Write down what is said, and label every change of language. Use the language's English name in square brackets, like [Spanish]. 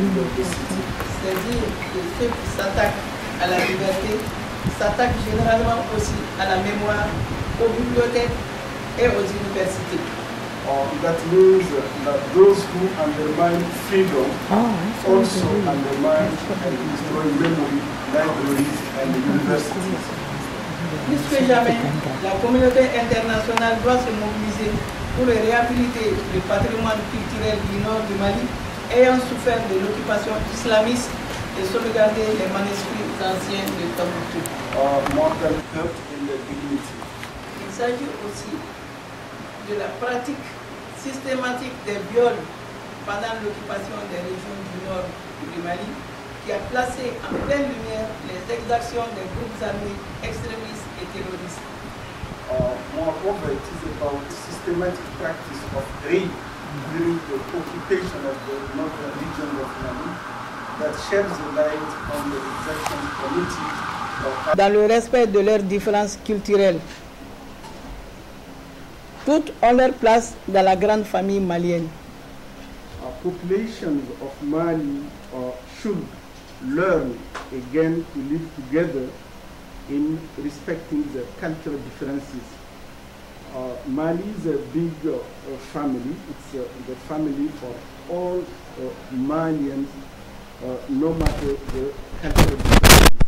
[French] C'est-à-dire que ceux qui s'attaquent à la liberté s'attaquent généralement aussi à la mémoire, aux bibliothèques et aux universités. [English] That means that those who undermine freedom also undermine and destroy memory, libraries and universities. [French] Plus que jamais, la communauté internationale doit se mobiliser pour réhabiliter le patrimoine culturel du nord du Mali ayant souffert de l'occupation islamiste et sauvegarder les manuscrits anciens de Tombouctou. Il s'agit aussi de la pratique systématique des viols pendant l'occupation des régions du nord du Mali qui a placé en pleine lumière les exactions des groupes armés extrémistes et terroristes. [English] Moreover, it is about systematic practice of rape during the occupation of the northern region of Mali that sheds light on the exactions committed. [French] Dans le respect de leurs différences culturelles, toutes ont leur place dans la grande famille malienne. [English] Our populations of Mali should learn again to live together in respecting their cultural differences. Mali is a big family. It's the family for all Malians, no matter the cultural differences.